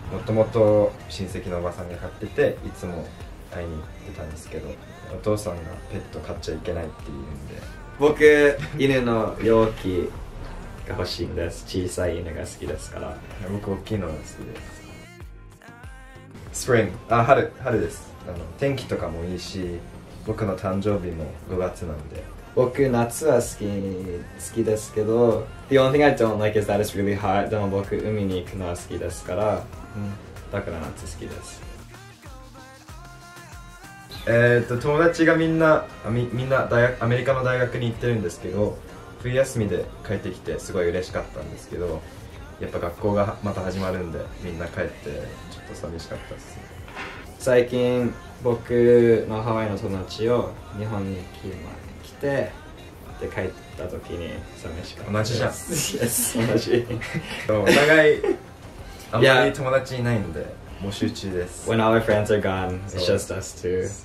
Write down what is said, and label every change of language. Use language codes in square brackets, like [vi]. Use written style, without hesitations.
[ja] もともと親戚のおばさんが飼ってて、いつも会いに行ってたんですけど、お父さんがペット飼っちゃいけないって言うんで、僕犬の容器が欲しいんです。小さい犬が好きですから。僕大きいのが好きです。スプリング、あ、春です。あの天気とかもいいし、僕の誕生日も5月なんで。僕夏は好きですけど、 [en] The only thing I don't like is that it's really hot。 [ja] でも僕海に行くのは好きですから、うん、だから夏好きです。友達がみんな大学、アメリカの大学に行ってるんですけど、冬休みで帰ってきてすごい嬉しかったんですけど、やっぱ学校がまた始まるんで、みんな帰ってちょっと寂しかったです。最近僕のハワイの友達を日本に来ます。で帰った時に寂しかった。同じじゃん。 [en] Yes, [ja] 同じ。お互いあんまり友達いないんで、もう集中です。 [en] When all our friends are gone, it's just us two.